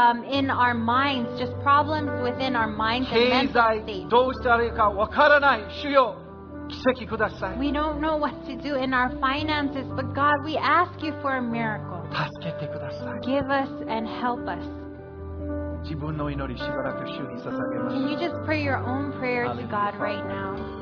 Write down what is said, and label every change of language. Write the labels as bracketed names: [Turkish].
[English] in our minds, just problems within our minds and mental state. [Japanese] 経済どうしたらいいかわからない主よ。奇跡ください。 [English] We don't know what to do in our finances, but God, we ask you for a miracle. [Japanese] 助けてください。 [English] Give us and help us. [Japanese] 自分の祈りしばらく主に捧げます。 [English] Can you just pray your own prayer to God right now?